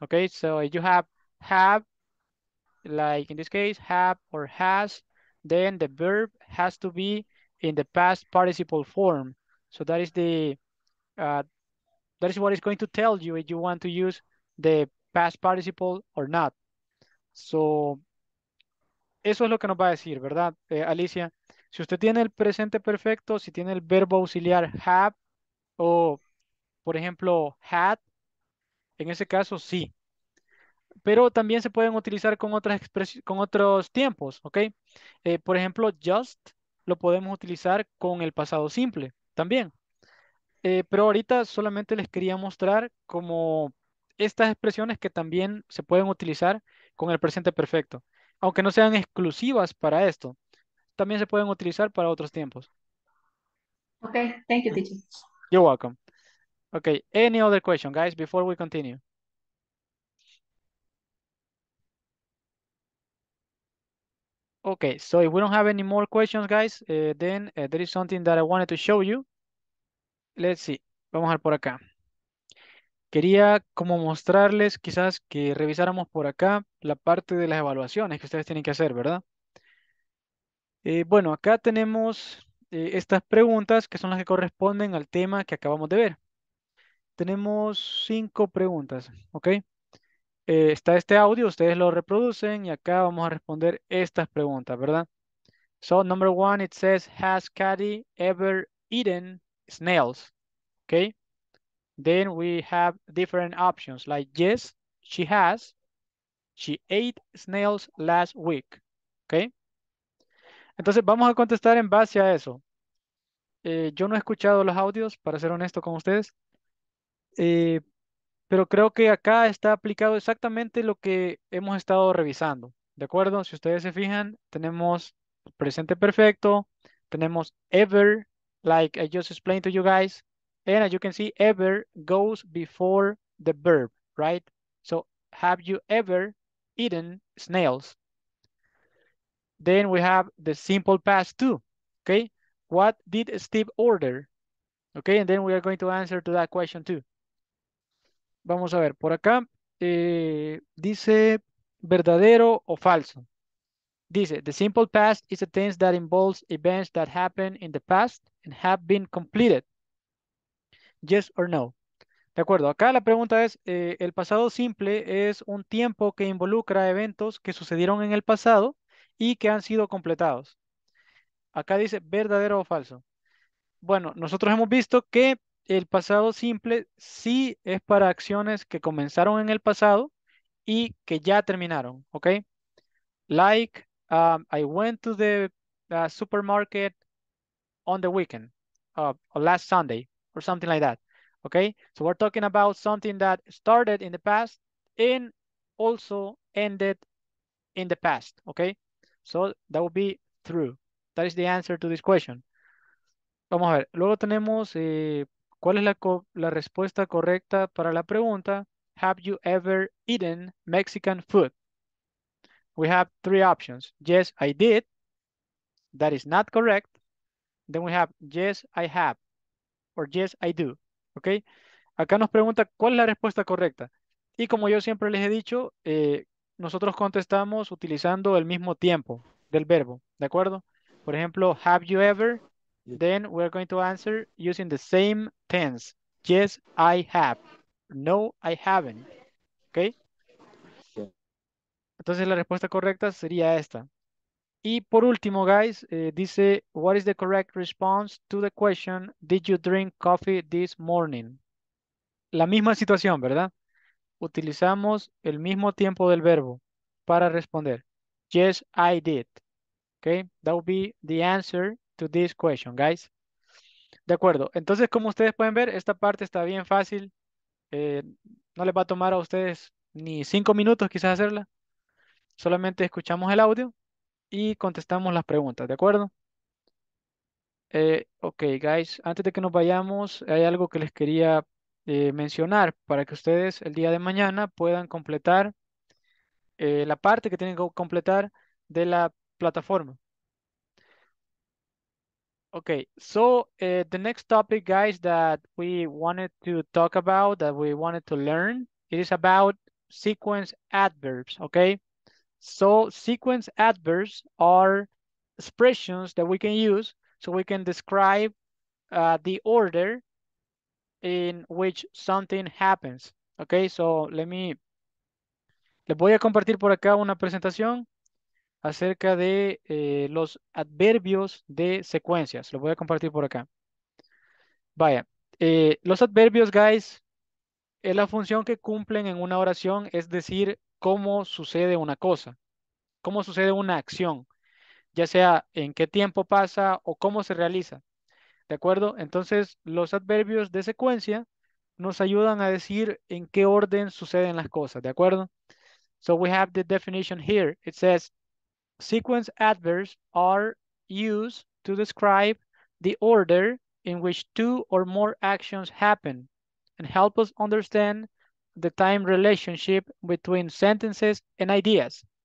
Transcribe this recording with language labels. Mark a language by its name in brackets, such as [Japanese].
[English] Okay, so you have, like in this case, have or has, then the verb has to be in the past participle form. So that is the that is what is going to tell you if you want to use the past participle or not. [Spanish] So eso es lo que nos va a decir, ¿verdad, Alicia? Si usted tiene el presente perfecto, si tiene el verbo auxiliar have o, por ejemplo, had, en ese caso sí. Pero también se pueden utilizar con otras expresiones, con otros tiempos, ¿ok? Por ejemplo, just lo podemos utilizar con el pasado simple también. Pero ahorita solamente les quería mostrar como estas expresiones que también se pueden utilizar con el presente perfecto. Aunque no sean exclusivas para esto, también se pueden utilizar para otros tiempos. [English] Ok, thank you, teacher. You're welcome. Okay, any other question, guys, before we continue? Okay, so if we don't have any more questions, guys, then there is something that I wanted to show you. Let's see, [Spanish] vamos a ver por acá. Quería como mostrarles quizás que revisáramos por acá la parte de las evaluaciones que ustedes tienen que hacer, ¿verdad? Bueno, acá tenemos estas preguntas que son las que corresponden al tema que acabamos de ver. Tenemos 5 preguntas, ¿ok? Está este audio, ustedes lo reproducen y acá vamos a responder estas preguntas, ¿verdad? [English] So, number one, it says, has Cady ever eaten snails? ¿Ok? Then we have different options, like, yes, she has. She ate snails last week. ¿Ok? [Spanish] Entonces, vamos a contestar en base a eso. Yo no he escuchado los audios, para ser honesto con ustedes. Pero creo que acá está aplicado exactamente lo que hemos estado revisando, ¿de acuerdo? Si ustedes se fijan, tenemos presente perfecto, tenemos ever, [English] like I just explained to you guys, and as you can see, ever goes before the verb, right? So, have you ever eaten snails? Then we have the simple past too, okay? What did Steve order? Okay, and then we are going to answer to that question too. [Spanish] Vamos a ver, por acá, dice verdadero o falso. [English] Dice, the simple past is a tense that involves events that happened in the past and have been completed. Yes or no? [Spanish] De acuerdo, acá la pregunta es, el pasado simple es un tiempo que involucra eventos que sucedieron en el pasado y que han sido completados. Acá dice, verdadero o falso. Bueno, nosotros hemos visto que el pasado simple sí es para acciones que comenzaron en el pasado y que ya terminaron, ¿ok? [English] Like, I went to the supermarket on the weekend, or last Sunday, or something like that. Okay, so we're talking about something that started in the past and also ended in the past. Okay, so that would be true. That is the answer to this question. [Spanish] Vamos a ver, luego tenemos, ¿cuál es la respuesta correcta para la pregunta? [English] Have you ever eaten Mexican food? We have three options. Yes, I did. That is not correct. Then we have, yes, I have. Or yes, I do. Okay. [Spanish] Acá nos pregunta, ¿cuál es la respuesta correcta? Y como yo siempre les he dicho, nosotros contestamos utilizando el mismo tiempo del verbo. ¿De acuerdo? Por ejemplo, [English] have you ever? Then we're going to answer using the same tense. Yes, I have. No, I haven't. Okay. [Spanish] Entonces la respuesta correcta sería esta. Y por último, [English] guys, dice, what is the correct response to the question, did you drink coffee this morning? [Spanish] La misma situación, ¿verdad? Utilizamos el mismo tiempo del verbo para responder. [English] Yes, I did. Okay, that would be the answer to this question, guys. [Spanish] De acuerdo. Entonces, como ustedes pueden ver, esta parte está bien fácil. No les va a tomar a ustedes ni 5 minutos quizás hacerla. Solamente escuchamos el audio y contestamos las preguntas, ¿de acuerdo? Ok, guys, antes de que nos vayamos, hay algo que les quería mencionar para que ustedes el día de mañana puedan completar la parte que tienen que completar de la plataforma. [English] Ok, so the next topic, guys, that we wanted to talk about, that we wanted to learn, it is about sequence adverbs, ok? So, sequence adverbs are expressions that we can use so we can describe the order in which something happens. Okay, so [Spanish] les voy a compartir por acá una presentación acerca de los adverbios de secuencias. Lo voy a compartir por acá. Vaya, los adverbios, guys, es la función que cumplen en una oración, es decir, cómo sucede una cosa. ¿Cómo sucede una acción? Ya sea en qué tiempo pasa o cómo se realiza. ¿De acuerdo? Entonces, los adverbios de secuencia nos ayudan a decir en qué orden suceden las cosas. ¿De acuerdo? [English] So, we have the definition here. It says, sequence adverbs are used to describe the order in which two or more actions happen and help us understand the time relationship between sentences and ideas.